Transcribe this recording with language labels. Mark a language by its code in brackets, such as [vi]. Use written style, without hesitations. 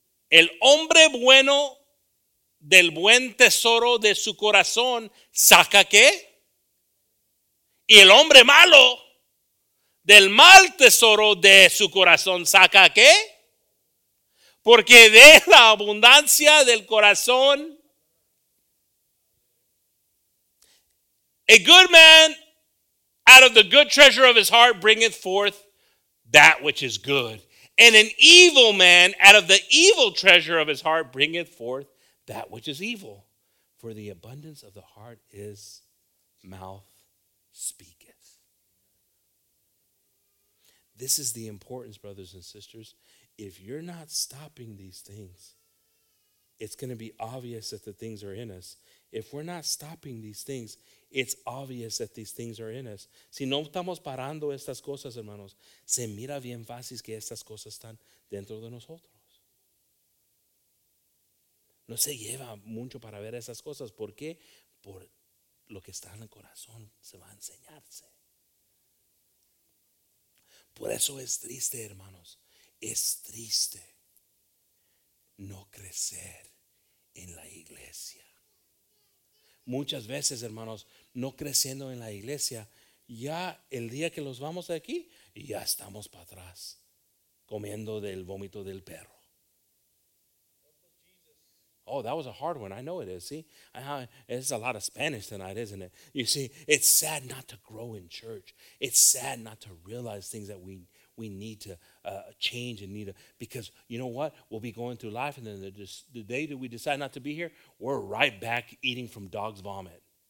[es] El hombre bueno del buen tesoro de su corazón saca qué? Y el hombre malo del mal tesoro de su corazón saca qué? Porque de la abundancia del corazón, [en] a good man out of the good treasure of his heart bringeth forth that which is good. And an evil man out of the evil treasure of his heart bringeth forth that which is evil. For the abundance of the heart is mouth speaketh. This is the importance, brothers and sisters. If you're not stopping these things, it's going to be obvious that the things are in us. If we're not stopping these things, it's obvious that these things are in us. [es] Si no estamos parando estas cosas, hermanos, se mira bien fácil que estas cosas están dentro de nosotros. No se lleva mucho para ver esas cosas. ¿Por qué? Por lo que está en el corazón se va a enseñarse. Por eso es triste, hermanos. Es triste no crecer en la iglesia. Muchas veces, hermanos, no creciendo en la iglesia, ya el día que los vamos de aquí, ya estamos para atrás, comiendo del vómito del perro. [en] Oh, that was a hard one. I know it is. See, it's a lot of Spanish tonight, isn't it? You see, it's sad not to grow in church. It's sad not to realize things that we need to change and need to, because you know what? We'll be going through life, and then the day that we decide not to be here, we're right back eating from dog's vomit.